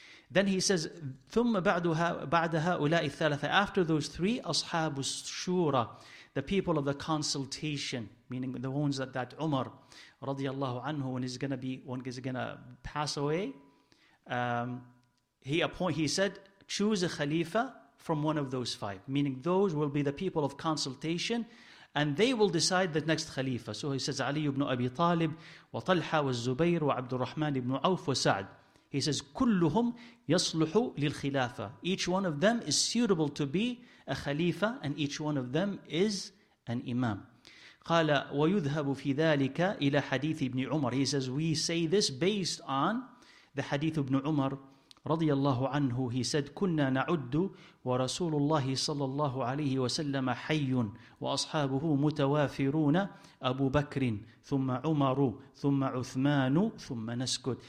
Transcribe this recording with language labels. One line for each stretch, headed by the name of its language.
English: Then he says,
Arabic: ثُمَّ بَعْدَهَا أُولَٰئِ الثَّلَثَةِ,
English: after those three,
Arabic: أَصْحَابُ الشُّورَى,
English: the people of the consultation, meaning the ones that Umar radiallahu anhu, when he's gonna pass away, he said, choose a khalifa from one of those five, meaning those will be the people of consultation, and they will decide the next khalifa. So he says, Ali ibn Abi Talib, wa Talha wa Zubayr wa Abdurrahman ibn Awf wa Sa'd. He says,
Arabic: كُلُّهُمْ يَصْلُحُ لِلْخِلَافَ.
English: Each one of them is suitable to be a khalifa, and each one of them is an imam.
Arabic: قَالَ وَيُذْهَبُ فِي ذَلِكَ إِلَى حَدِيثِ ابْنِ عُمَرِ.
English: He says, we say this based on the hadith of ibn Umar,
Arabic: رَضِيَ اللَّهُ عَنْهُ.
English: He said,
Arabic: كُنَّا نَعُدُّ وَرَسُولُ اللَّهِ صَلَّى اللَّهُ عَلَيْهِ وَسَلَّمَ حَيٌّ وَأَصْحَابُهُ مُتَوَافِرُونَ أَبُو بَكْرٍ ثُمَّ عُمَرُ ثُمَّ عُثْمَانُ ثُمَّ نَسْكُتُ.